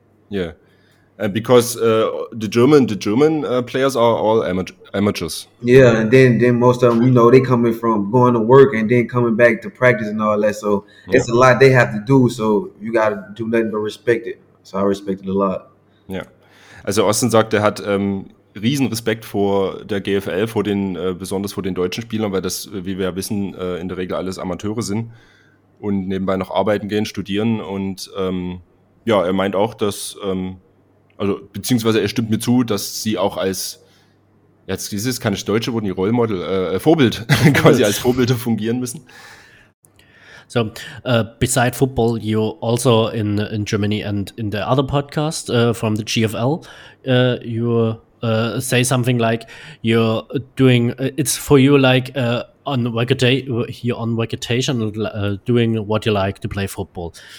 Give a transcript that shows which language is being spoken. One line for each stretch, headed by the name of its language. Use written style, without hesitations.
English: Yeah. Because the German players are all amateurs. Yeah, and then most of them, you know, they coming from going to work and then coming back to practice and all that. So it's a lot they have to do. So you got to do nothing but respect it. So I respect it a lot. Yeah.
German: Also Austin sagt, er hat riesen Respekt vor der GFL, vor den besonders vor den deutschen Spielern, weil das, wie wir ja wissen, in der Regel alles Amateure sind und nebenbei noch arbeiten gehen, studieren. Und ja, er meint auch, dass, also beziehungsweise er stimmt mir zu, dass sie auch als, jetzt ist es keine Deutsche, wurden die
English: Role Model,
German: Vorbild, quasi als Vorbilder fungieren müssen.
English: So, beside football, you also in Germany and in the other podcast from the GFL, you're say something like you're doing it's for you like on vacation, doing what you like to play football.